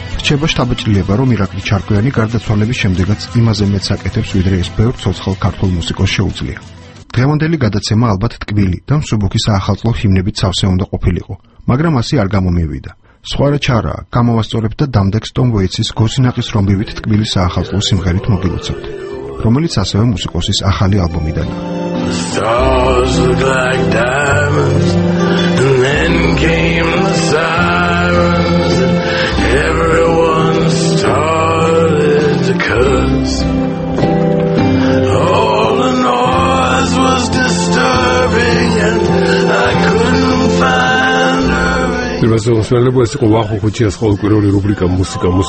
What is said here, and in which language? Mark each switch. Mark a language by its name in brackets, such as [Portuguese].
[Georgian] რჩება შტაბეჭდილება, რომ ირაკლი ჩარკვიანი გარდაცვალების შემდეგაც იმაზე მეტს აკეთებს, ვიდრე ეს ბევრ ცოცხალ ქართულ მუსიკოს შეუძლია. დღევანდელი გადაცემა ალბათ ტკბილი და მსუბუქი საახალწლო ჰიმნებით სავსე უნდა ყოფილიყო, მაგრამ ასე არ გამომივიდა. სხვარა ჩარაა, გამოვასწორებთ და დამდეგს ტომ ვეიცის გოსინაყის რომბივით ტკბილი საახალწლო სიმღერით მოგილოცავთ, რომელიც ასევე მუსიკოსის ახალი ალბომიდან. [English] Stars look like diamonds, and then came the sirens, and everyone started to curse. All the noise was disturbing, and I couldn't find a reason. [Georgian] Ვახო ხუჩიას ხოლკვირული რუბრიკა მუსიკა